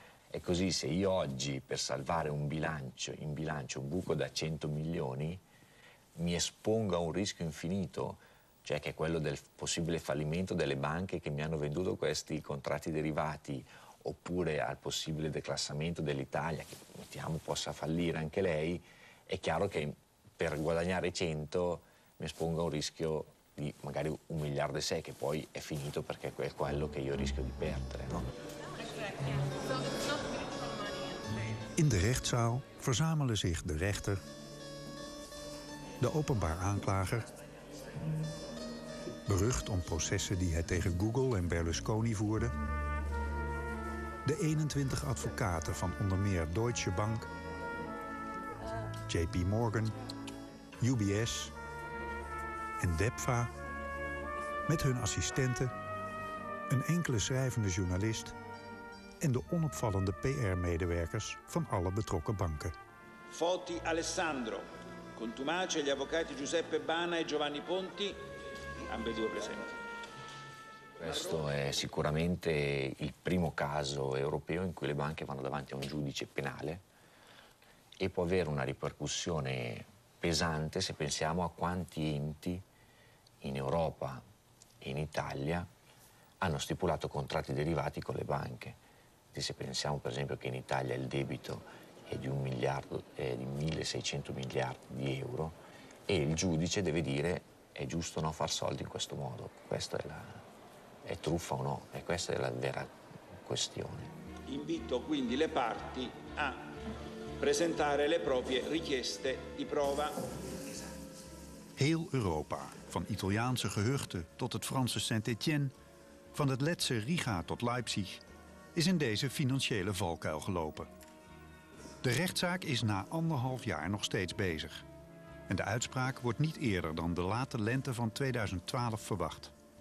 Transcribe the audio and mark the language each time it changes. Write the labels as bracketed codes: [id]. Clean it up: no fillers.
[it] E così se io oggi per salvare in bilancio un buco da 100 milioni mi espongo a un rischio infinito, cioè che è quello del possibile fallimento delle banche che mi hanno venduto questi contratti derivati, oppure al possibile declassamento dell'Italia, che mettiamo possa fallire anche lei, è chiaro che per guadagnare 100 mi espongo a un rischio di magari 1,6 miliardi che poi è finito perché è quello che io rischio di perdere, no? [nl] In de rechtszaal verzamelen zich de rechter, de openbaar aanklager, berucht om processen die hij tegen Google en Berlusconi voerde, de 21 advocaten van onder meer Deutsche Bank, JP Morgan, UBS en DEPFA, met hun assistenten, een enkele schrijvende journalist en de onopvallende PR-medewerkers van alle betrokken banken. [it] Foti Alessandro, contumace gli avvocati Giuseppe Bana e Giovanni Ponti, ambedue presenti. Questo è sicuramente il primo caso europeo in cui le banche vanno davanti a un giudice penale e può avere una ripercussione pesante se pensiamo a quanti enti in Europa e in Italia hanno stipulato contratti derivati con le banche. Se pensiamo per esempio che in Italia il debito è di 1.600 miliardi di euro e il giudice deve dire è giusto o no far soldi in questo modo, questa è truffa o no, e questa è la vera questione. Invito quindi le parti a presentare le proprie richieste di prova. [nl] Heel Europa, van Italiaanse gehuchten tot het Franse Saint-Étienne, van het Letse Riga tot Leipzig, is in deze financiële valkuil gelopen. De rechtszaak is na anderhalf jaar nog steeds bezig. En de uitspraak wordt niet eerder dan de late lente van 2012 verwacht.